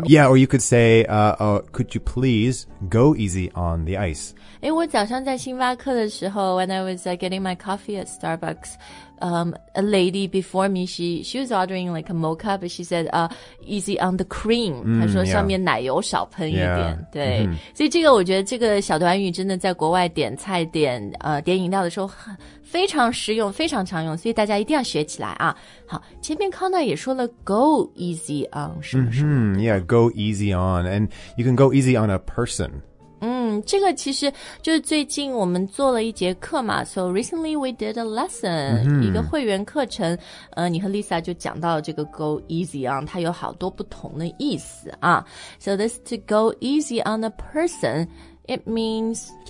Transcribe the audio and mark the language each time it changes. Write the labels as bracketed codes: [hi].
[en] yeah, or you could say,、could you please go easy on the ice? [zh] 哎，我早上在星巴克的时候 [en] ，when I was、getting my coffee at Starbucks, a lady before me, she was ordering like a mocha, but she said, easy on the cream.、 [zh] 她说上面奶油少喷一点。 [en] Yeah. [zh] 对， mm-hmm. 所以这个我觉得这个小短语真的在国外点菜点点饮料的时候非常实用，非常常用，所以大家一定要学起来啊！好，前面康娜也说了 ，go easy on 什么什么、 mm-hmm. [en] ，yeah, go easy on, and you can go easy on a person. [zh] 这个其实就是最近我们做了一节课嘛 [en] So recently we did a lesson、 [zh] 一个会员课程你和 Lisa 就讲到这个 go easy on 它有好多不同的意思啊 [en] So this to go easy on a person It means